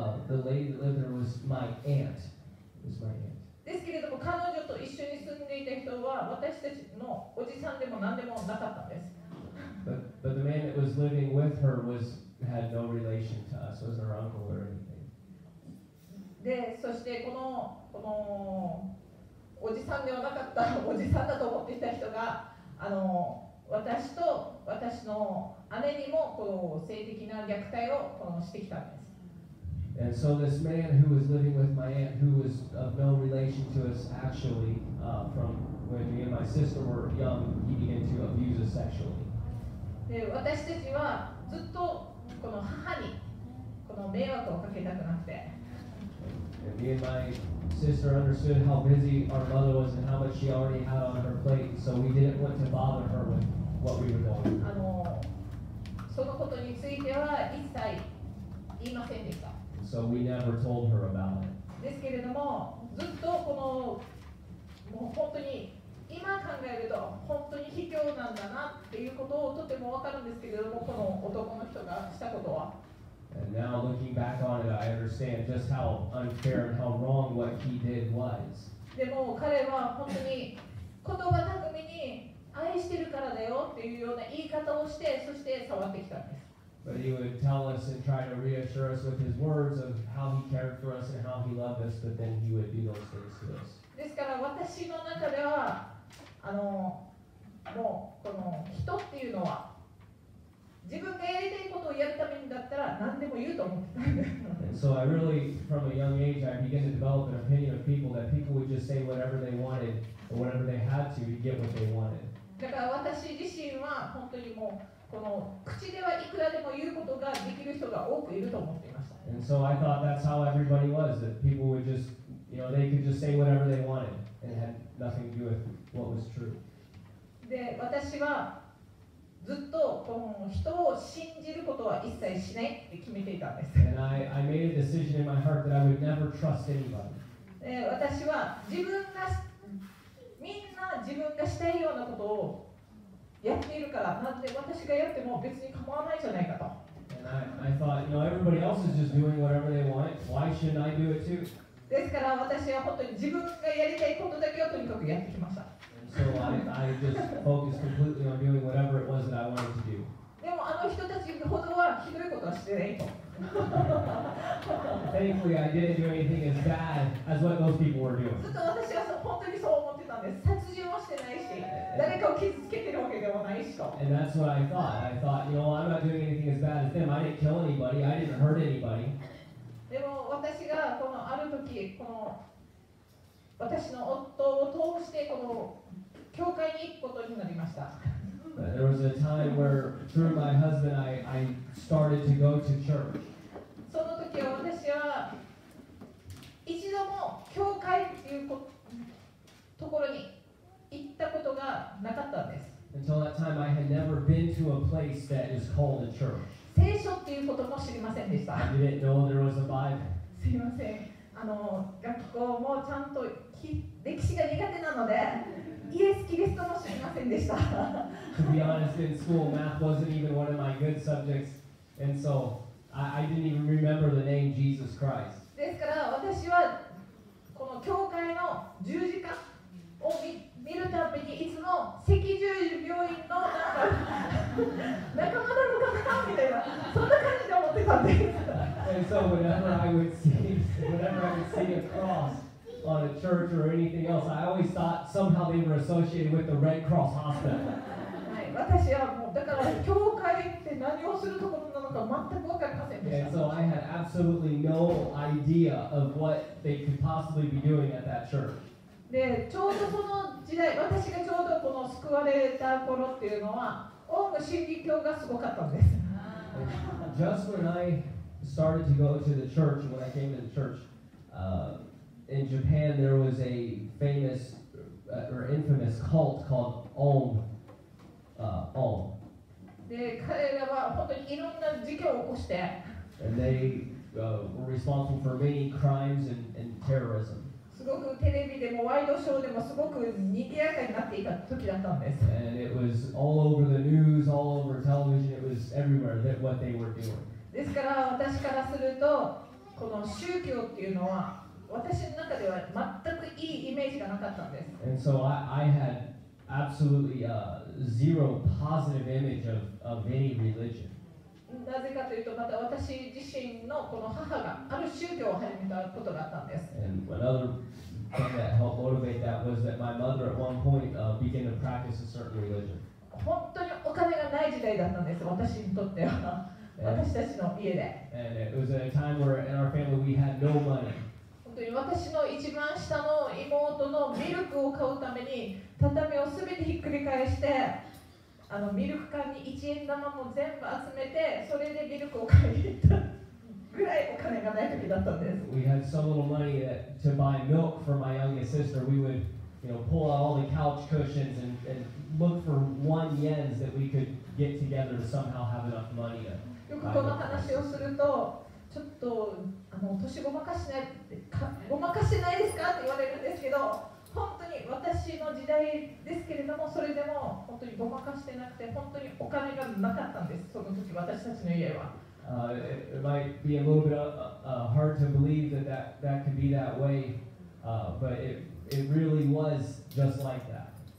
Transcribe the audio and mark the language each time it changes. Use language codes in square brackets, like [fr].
[en] The lady that lived there was my aunt. [ja] ですけれども彼女と一緒に住んでいた人は私たちのおじさんでも何でもなかったんです。 [en] But the man that was living with her was had no relation to us. Was her uncle or anything? [ja] で、そしてこのおじさんではなかったおじさんだと思っていた人が、私と私の姉にもこの性的な虐待をこのしてきたんです。 [en] And so this man who was living with my aunt, who was of no relation to us actually, from when me and my sister were young, he began to abuse us sexually. [ja] で私たちはずっとこの母にこの迷惑をかけたくなくて。 [en] And me and my sister understood how busy our mother was and how much she already had on her plate, so we didn't want to bother her with what we were doing. [ja] そのことについては一切言いませんでした。 [en] So we never told her about it. [ja] ですけれども、ずっとこのもう本当に。今考えると本当に卑怯なんだなっていうことをとても分かるんですけれども、この男の人がしたことは。 [en] And now looking back on it, I understand just how unfair and how wrong what he did was. [ja] でも彼は本当に言葉巧みに愛してるからだよっていうような言い方をして、そして触ってきたんです。 [en] But he would tell us and try to reassure us with his words of how he cared for us and how he loved us, but then he would do those things to us. [ja] ですから私の中ではもうこの人っていうのは自分がやりたいことをやるためにだったら何でも言うと思ってたんです。 [en] So I really, from a young age, I began to develop an opinion of people that people would just say whatever they wanted or whatever they had to get what they wanted. [ja] だから私自身は本当にもうこの口ではいくらでも言うことができる人が多くいると思っていました。 [en] And so I thought that's how everybody was, that people would just, you know, they could just say whatever they wanted and had nothing to do with what was true. [ja] で、私はずっとこの人を信じることは一切しないって決めていたんです。 [en] And I made a decision in my heart that I would never trust anybody. [ja] で、私は自分が、みんな自分がしたいようなことをやっているから、なんで私がやっても別に構わないじゃないかと。 [en] I thought, you know, everybody else is just doing whatever they want. Why shouldn't I do it too? [ja] ですから私は本当に自分がやりたいことだけをとにかくやってきました。 [en] So I just focused completely on doing whatever it was that I wanted to do. [ja] でもあの人たちほどはひどいことはしてないと。 [en] Thankfully, I didn't do anything as bad as what those people were doing. [ja] ずっと私は本当にそう思ってたんです。殺人もしてないし、誰かを傷つけてるわけでもないしと。 [en] And that's what I thought. I thought, you know, I'm not doing anything as bad as them. I didn't kill anybody. I didn't hurt anybody. [ja] でも私がこのある時この私の夫を通してこの教会に行くことになりました。 [en] There was a time where through my husband I started to go to church. [ja] その時は私は一度も教会っていうところに行ったことがなかったんです。 [en] Until that time I had never been to a place that is called a church. [ja] 聖書っていうことも知りませんでした。 [en] You didn't know there was a Bible. [ja] すいません。あの学校もちゃんと歴史が苦手なので、イエス・キリストも知りませんでした。 [en] To be honest, in school, math wasn't even one of my good subjects, and so I didn't even remember the name Jesus Christ. [ja] ですから私はこの教会の十字架を見るたびにいつも赤十字病院のなんか仲間なのかなみたいなそんな感じで思ってたんです。 [en] And so whenever I would see a cross on a church or anything else, I always thought somehow they were associated with the Red Cross Hospital. [ja] はい、私はもうだから教会って何をするところなのか全く分かりませんでした。 [en] And so I had absolutely no idea of what they could possibly be doing at that church. [ja] で、ちょうどその時代、私がちょうどこの救われた頃っていうのは、オウム真理教がすごかったんです。 [en] Just when I started to go to the church, when I came to the church, in Japan there was a famous or infamous cult called Om. [ja] で、彼らは本当にいろんな事件を起こして。 [en] And they were responsible for many crimes and terrorism. [ja] すごくテレビでもワイドショーでもすごく賑やかになっていた時だったんです。 [en] And it was all over the news, all over television, it was everywhere that what they were doing. [ja] ですから私からするとこの宗教っていうのは私の中では全くいいイメージがなかったんです。 [en] And so I had absolutely zero positive image of any religion. [ja] なぜかというとまた私自身のこの母がある宗教を始めたことがあったんです。 [en] And another thing that helped motivate that was that my mother at one point began to practice a certain religion. [ja] 本当にお金がない時代だったんです、私にとっては。 [en] And it was at a time where in our family we had no money. [ja] 本当に私の一番下の妹のミルクを買うために畳をすべてひっくり返して、あのミルク缶に1円玉も全部集めて、それでミルクを買いに行ったぐらいお金がない時だったんです。 [en] We had so little money that to buy milk for my youngest sister, we would, you know, pull out all the couch cushions and look for 1 yen that we could get together to somehow have enough money to. [ja] よくこの話をすると、ちょっとあの年ごまかしないってごまかしないですかって言われるんですけど、本当に私の時代ですけれども、それでも本当にごまかしてなくて、本当にお金がなかったんです、その時私たちの家は。 [en] It might be a little bit hard to believe that could be that way, but it really was just like that.